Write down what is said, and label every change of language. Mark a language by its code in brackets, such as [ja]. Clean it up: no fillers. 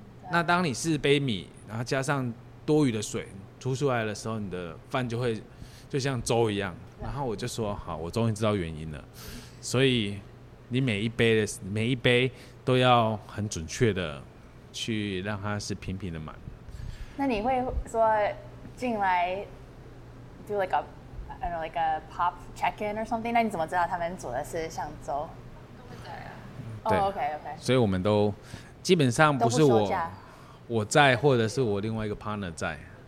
[zh] 那当你四杯米，然后加上多余的水出出来的时候，你的饭就会就像粥一样。然后我就说好，我终于知道原因了。所以你每一杯都要很准确的去让它是平平的满。那你会说进来 [en] do like a I don't know, like a pop check in or something？ [zh] 那你怎么知道他们煮的是像粥？都会在啊。 [en] Oh, OK OK。 [zh] 所以我们都基本上不是我在，或者是我另外一个 partner 在。